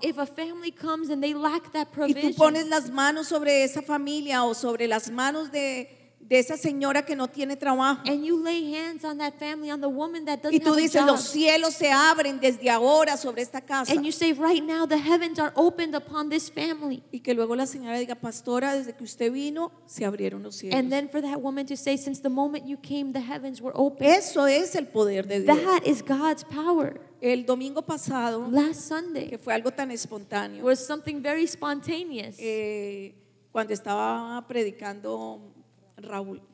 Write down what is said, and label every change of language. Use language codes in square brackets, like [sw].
[en] If a family comes and they lack that provision, [es] y tú pones las manos sobre esa familia o sobre las manos de esa señora que no tiene trabajo. [en] And you lay hands on that family, on the woman that doesn't have a job. [es] Y tú dices, los cielos se abren desde ahora sobre esta casa. [en] And you say, right now, the heavens are opened upon this family. [es] Y que luego la señora diga, pastora, desde que usted vino, se abrieron los cielos. [en] And then for that woman to say, since the moment you came, the heavens were opened. [es] Eso es el poder de Dios. [en] That is God's power. [es] El domingo pasado, [en] last Sunday, [es] que fue algo tan espontáneo, [en] was something very spontaneous. [es] Cuando estaba predicando Raúl.